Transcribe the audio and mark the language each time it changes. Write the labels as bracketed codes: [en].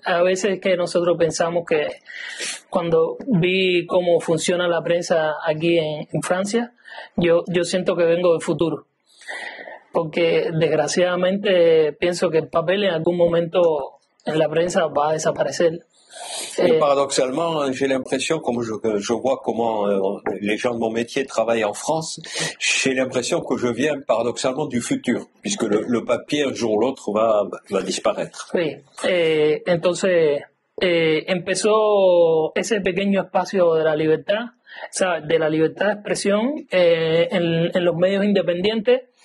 [es] A veces que nosotros pensamos que cuando vi cómo funciona la prensa aquí en Francia, yo siento que vengo del futuro. Porque desgraciadamente pienso que el papel en algún momento en la prensa va a desaparecer. [fr] Et paradoxalement, j'ai l'impression, comme je vois comment les gens de mon métier travaillent en France, j'ai l'impression que je viens paradoxalement du futur, puisque le papier, un jour ou l'autre, va disparaître. Oui. [es] Entonces, empezó ese pequeño espacio de la libertad, o sea, de la libertad de expresión en los medios independientes.